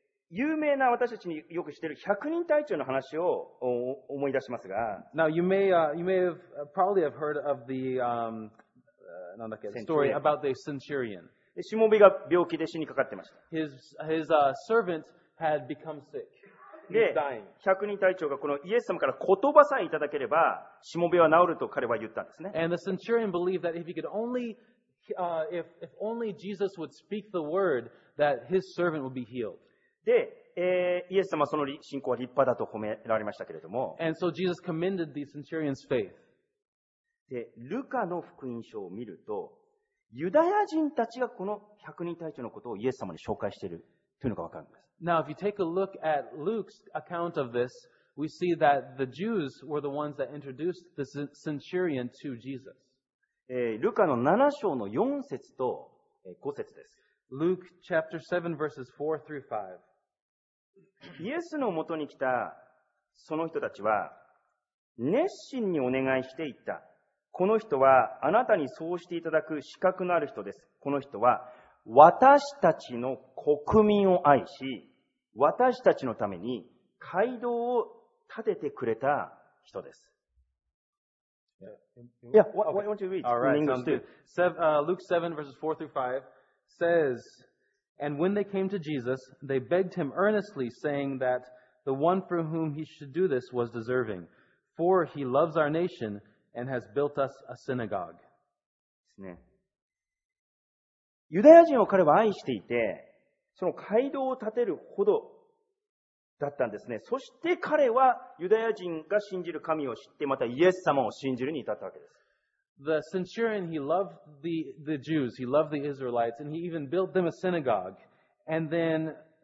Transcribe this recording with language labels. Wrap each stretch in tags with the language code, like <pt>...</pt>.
<ja>有名な私たちによく知っている百人隊長の話を思い出しますが。</ja> <en>Now, you may have probably have heard of the,</en> <ja>なんだっけ、</ja> <en>story about the centurion.</en> <ja>しもべが病気で死にかかってました。</ja> <en>His servant had become sick.</en> <ja>で、百人隊長がこのイエス様から言葉さえいただければ、しもべは治ると彼は言ったんですね。</ja> <en>And the centurion believed that if he could only, if only Jesus would speak the word, that his servant would be healed.</en> <ja>で、イエス様はその信仰は立派だと褒められましたけれども。</ja> <en>And so Jesus commended the centurion's faith.</en> <ja>で、ルカの福音書を見ると、ユダヤ人たちがこの百人隊長のことをイエス様に紹介しているというのがわかるんです。</ja> <en>Now, if you take a look at Luke's account of this, we see that the Jews were the ones that introduced the centurion to Jesus.</en> <ja>ルカの7章の4節と5節です。</ja> <en>Luke chapter 7 verses 4 through 5.</en> <ja>イエスのもとに来たその人たちは熱心にお願いしていった。この人はあなたにそうしていただく資格のある人です。この人は私たちの国民を愛し、私たちのために街道を建ててくれた人です。</ja> <en>Yeah, why don't you read in English too? Luke 7 verses 4 through 5. Says, and when they came to Jesus, they begged him earnestly, saying that the one for whom he should do this was deserving, for he loves our nation and has built us a synagogue.</en> <ja>ですね。ユダヤ人を彼は愛していて、その街道を建てるほどだったんですね。そして彼はユダヤ人が信じる神を知って、またイエス様を信じるに至ったわけです。</ja> <en>The centurion, he loved the Jews, he loved the Israelites, and he even built them a synagogue. And then,</en>